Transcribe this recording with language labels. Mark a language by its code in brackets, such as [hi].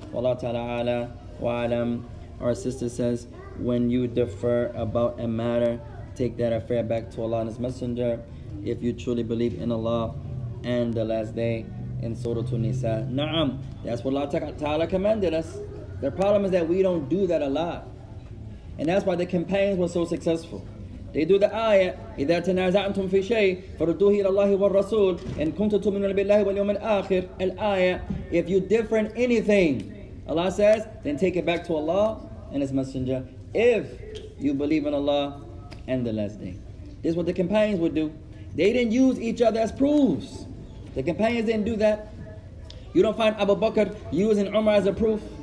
[en] Allah Ta'ala a'la wa a'lam. Our sister says, when you differ about a matter, take that affair back to Allah and His Messenger. If you truly believe in Allah and the last day, in Surah Tunisa. Na'am. That's what Allah Ta'ala commanded us. The problem is that we don't do that a lot. And that's why the companions were so successful. They do the ayah, [ar] إِذَا تَنَازَعْتُمْ فِي شَيْءٍ فَرُدُّوهُ إِلَى اللَّهِ وَالرَّسُولِ إِن كُنْتُمْ تُؤْمِنُونَ بِاللَّهِ وَالْيَوْمِ الْآخِرِ الْآيَةِ. [en] If you differ in anything, Allah says, then take it back to Allah and His Messenger. If you believe in Allah and the last day. This is what the companions would do. They didn't use each other as proofs. The companions didn't do that. You don't find Abu Bakr using Umar as a proof.